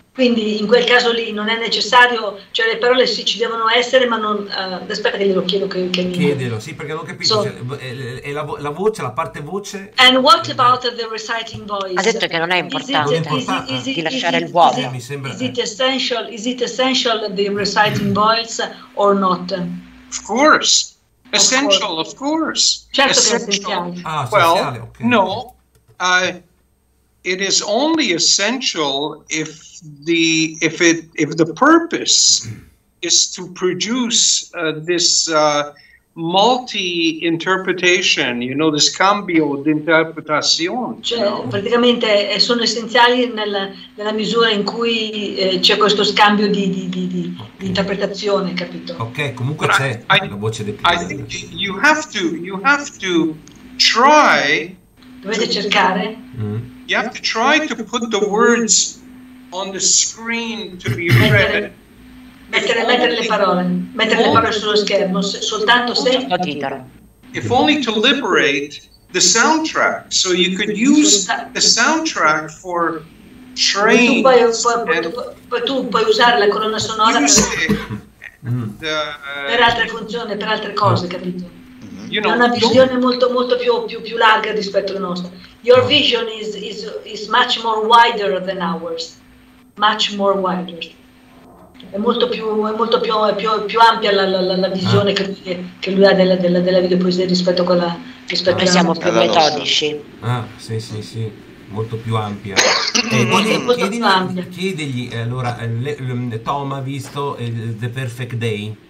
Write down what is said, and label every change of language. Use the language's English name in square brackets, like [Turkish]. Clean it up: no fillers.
[Italian] Quindi in quel caso lì non è necessario, cioè le parole sì ci devono essere, ma non... aspetta che glielo chiedo che mi... Chiedilo, sì, perché non ho capito, è la voce, la parte voce... [English] And what about the reciting voice? [Italian] Ha detto che non è importante, di lasciare il vuoto. [English] Is it essential the reciting voice or not? Of course, essential, of course. [Italian] Certo essential. Che è essenziale. [English] Ah, well, [Italian] essenziale, ok. [English] No, it is only essential if the purpose is to produce this multi interpretation, you know, this [Italian] cambio di interpretazione. Cioè, no? Praticamente sono essenziali nella misura in cui c'è questo scambio di interpretazione, capito? Ok, comunque but c'è la voce di [English] più. I think you have to try. [Italian] Dovete cercare. [English] You have to try to put the words on the screen to be read. [Italian] Mettere le parole sullo schermo, soltanto se [English] if only to liberate the soundtrack, so you could use the soundtrack for trains. [Italian] Tu puoi usare la colonna sonora per altre funzioni, per altre cose, capito? [English] You know, [Italian] è una visione molto molto più larga rispetto alla nostra. [English] Your vision is much more wider than ours. Much more wider. [Italian] È molto più ampia la visione che lui ha della videopoesia rispetto a quella rispetto a noi. Siamo più metodici. Sì. Molto più ampia. Chiedigli allora, Tom ha visto The Perfect Day.